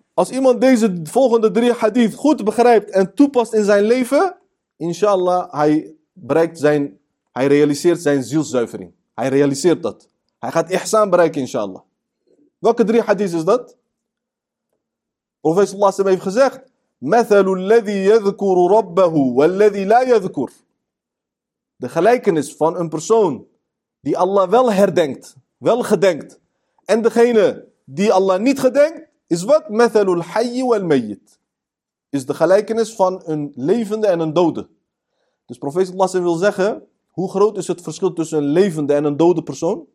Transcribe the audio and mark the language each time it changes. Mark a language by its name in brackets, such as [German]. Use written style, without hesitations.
[Dutch] Als iemand deze volgende drie hadith goed begrijpt en toepast in zijn leven, inshallah, hij bereikt zijn, hij realiseert zijn zielszuivering. Hij realiseert dat. Hij gaat ihsan bereiken, inshallah. Welke drie hadith is dat? Profeet Allah s.a.w. heeft gezegd, [Arabic] مَثَلُ الَّذِي يَذْكُرُ رَبَّهُ وَالَّذِي لَا يَذْكُرُ. [Dutch] De gelijkenis van een persoon die Allah wel herdenkt, wel gedenkt, en degene die Allah niet gedenkt, is wat? [Arabic] مَثَلُ الْحَيِّ وَالْمَيِّتِ. [Dutch] Is de gelijkenis van een levende en een dode. Dus profeet Allah wil zeggen, hoe groot is het verschil tussen een levende en een dode persoon?